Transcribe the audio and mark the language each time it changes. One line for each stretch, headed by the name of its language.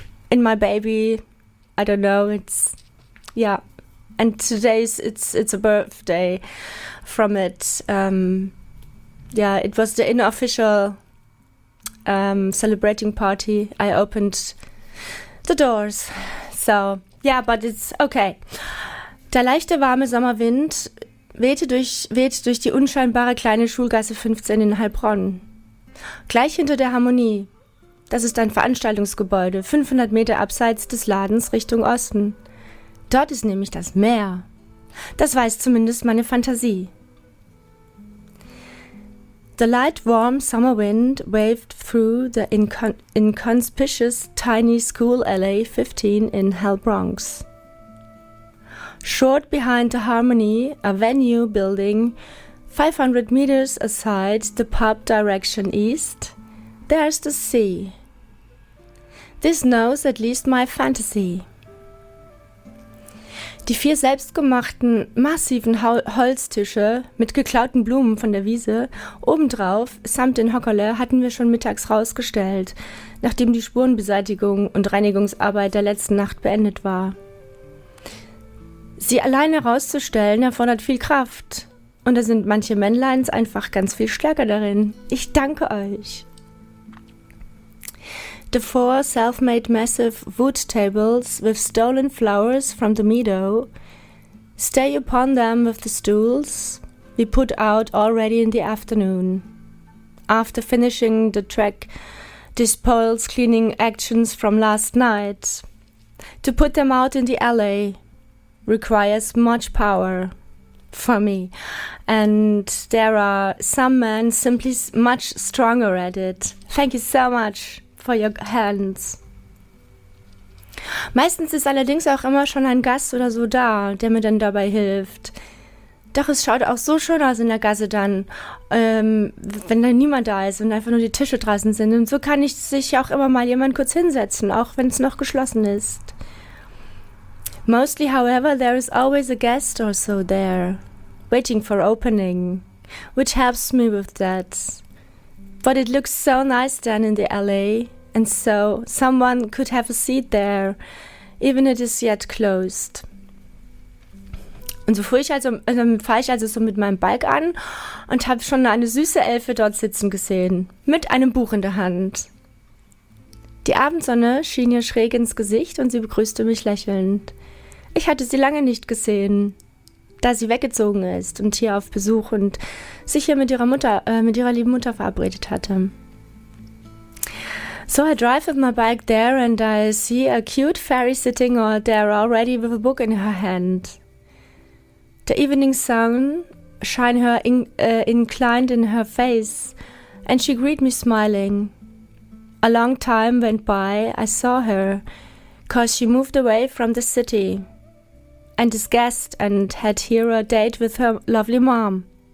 English: in my baby, I don't know, it's, yeah, and today's, it's a birthday from it, yeah, it was the unofficial celebrating party. I opened the doors, so, yeah, but it's okay.
German: Der leichte, warme Sommerwind weht durch die unscheinbare kleine Schulgasse 15 in Heilbronn. Gleich hinter der Harmonie. Das ist ein Veranstaltungsgebäude, 500 Meter abseits des Ladens Richtung Osten. Dort ist nämlich das Meer. Das weiß zumindest meine Fantasie.
English: The light, warm summer wind waved through the inconspicuous tiny school LA 15 in Heilbronn. Short behind the Harmony, a venue building, 500 meters aside the pub direction east, there's the sea. This knows at least my fantasy.
German: Die vier selbstgemachten, massiven Holztische mit geklauten Blumen von der Wiese obendrauf samt den Hockerle hatten wir schon mittags rausgestellt, nachdem die Spurenbeseitigung und Reinigungsarbeit der letzten Nacht beendet war. Sie alleine rauszustellen erfordert viel Kraft. Und da sind manche Männleins einfach ganz viel stärker darin. Ich danke euch.
English: The four self-made massive wood tables with stolen flowers from the meadow. Stay upon them with the stools we put out already in the afternoon. After finishing the track, despoils cleaning actions from last night. To put them out in the alley requires much power for me. And there are some men simply much stronger at it. Thank you so much for your hands.
German: Meistens ist allerdings auch immer schon ein Gast oder so da, der mir dann dabei hilft. Doch es schaut auch so schön aus in der Gasse dann, wenn dann niemand da ist und einfach nur die Tische draußen sind. Und so kann ich sich auch immer mal jemand kurz hinsetzen, auch wenn es noch geschlossen ist.
English: Mostly, however, there is always a guest or so there, waiting for opening, which helps me with that. But it looks so nice down in the alley, and so someone could have a seat there, even if it is yet closed.
German: Und so fahre ich also so mit meinem Bike an und habe schon eine süße Elfe dort sitzen gesehen, mit einem Buch in der Hand. Die Abendsonne schien ihr schräg ins Gesicht und sie begrüßte mich lächelnd. Ich hatte sie lange nicht gesehen, da sie weggezogen ist und hier auf Besuch und sich hier mit ihrer lieben Mutter verabredet hatte.
English: So I drive with my bike there and I see a cute fairy sitting all there already with a book in her hand. The evening sun shine her inclined in her face, and she greeted me smiling. A long time went by, I saw her, cause she moved away from the city and is guest and had here a date with her lovely mom.